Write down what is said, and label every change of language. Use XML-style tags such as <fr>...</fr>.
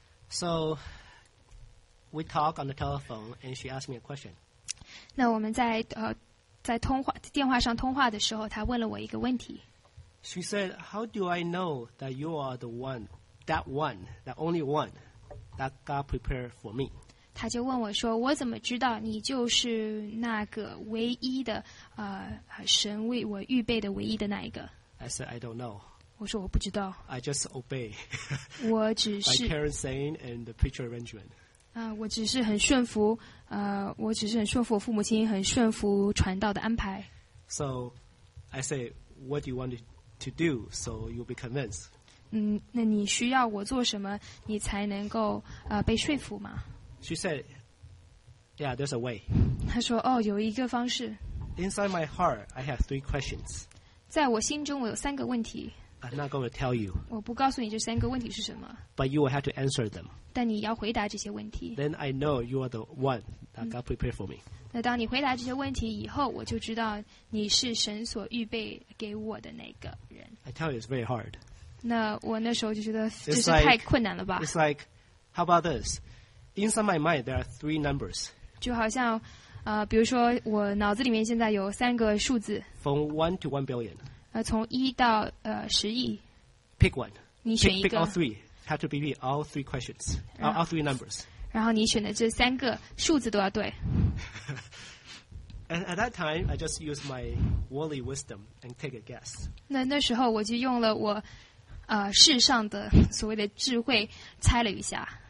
<en>So,We talk on the telephone, and she asked me a question.</en> <zh>那我们在电话上通话的时候，她问了我一个问题。</zh> <en>She said, "How do I know that you are the one, that one, that only one, that God prepared for me?"</en> <zh>她就问我说，我怎么知道你就是那个唯一的神为我预备的唯一的那一个</zh> <en>？I said, "I don't know."</en> <zh>我说我不知道。</zh> <en>I just obey.</en> <zh>我只是</zh> <en>by Karen saying and the preacher arrangement.</en> <zh>我只是很顺服，我只是很顺服我父母亲，很顺服传道的安排。</zh> <en>So, I say, what do you want to do so you'll be convinced?</en> <zh>那你需要我做什么，你才能够被说服吗</zh> <en>？She said, "Yeah, there's a way."</en> <zh>她说，哦，有一个方式。</zh> <en>Inside my heart, I have three questions.</en> <zh>在我心中，我有三个问题。</zh> <en>I'm not going to tell you.</en> <zh>我不告诉你这三个问题是什么。</zh> <en>But you will have to answer them.</en> <zh>但你要回答这些问题。</zh> <en>Then I know you are the one that God prepared for me.</en> <zh>那当你回答这些问题以后，我就知道你是神所预备给我的那个人。</zh> <en>I tell you, it's very hard.</en> <zh>那我那时候就觉得这是太困难了吧。</zh> <en>It's like, how about this? Inside my mind, there are three numbers.</en> <zh>就好像比如说我脑子里面现在有三个数字。</zh> <en>From 1 to 1 billion.</en> <zh>从一到十亿。</zh> <en>Pick one.</en> <zh>你选一个。</zh> <en>Pick all three. Have to be me all three questions. All three numbers.</en> <zh>然后你选的这三个数字都要对。</zh> <en>And at that time, I just used my worldly wisdom and take a guess.</en> <zh>那时候我就用了我世上的所谓的智慧猜了一下。</zh>